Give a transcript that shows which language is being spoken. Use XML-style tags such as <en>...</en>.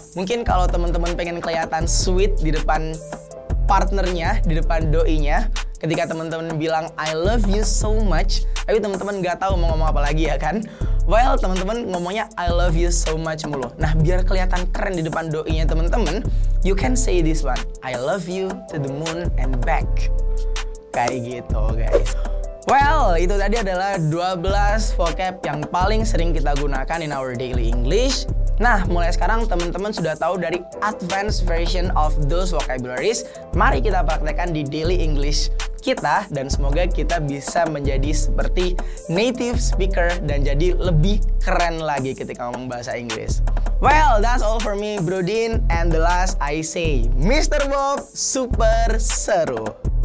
<id>Mungkin kalau teman-teman pengen kelihatan sweet di depan partnernya, di depan doinya, ketika teman-teman bilang I love you so much, tapi teman-teman nggak tahu mau ngomong apa lagi, ya kan? Well, teman-teman ngomongnya I love you so much mulu. Nah, biar kelihatan keren di depan doinya teman-teman, you can say this one.</id> <en>I love you to the moon and back.</en> <id>Kayak gitu, guys. Well, itu tadi adalah 12 vocab yang paling sering kita gunakan in our daily English. Nah, mulai sekarang teman-teman sudah tahu dari advanced version of those vocabularies. Mari kita praktekkan di daily English kita dan semoga kita bisa menjadi seperti native speaker dan jadi lebih keren lagi ketika ngomong bahasa Inggris.</id> <en>Well, that's all for me, Brodin. And the last I say, Mr. Bob, super seru.</en>